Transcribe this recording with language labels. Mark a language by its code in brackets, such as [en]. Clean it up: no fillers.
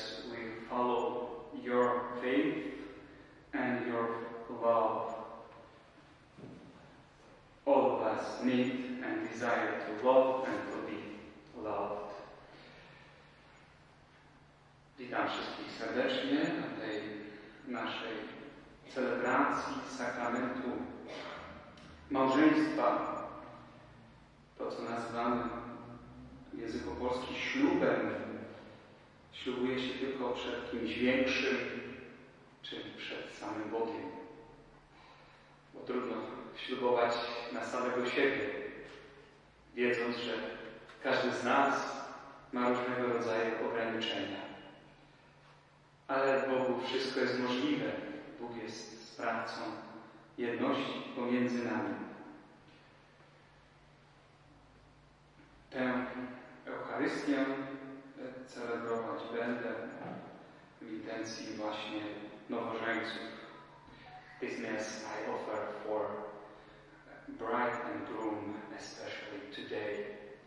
[en] We follow your faith and your love. All of us need and desire to love and to be loved. [pl] Witam wszystkich serdecznie na tej naszej celebracji sakramentu małżeństwa, to co nazywamy w języku polskim ślubem. Ślubuje się tylko przed kimś większym, czyli przed samym Bogiem. Bo trudno ślubować na samego siebie, wiedząc, że każdy z nas ma różnego rodzaju ograniczenia. Ale Bogu wszystko jest możliwe. Bóg jest sprawcą jedności pomiędzy nami. Tę Eucharystię celebrować będę w intencji właśnie nowożeńców. [en] This mass I offer for bride and groom, especially today.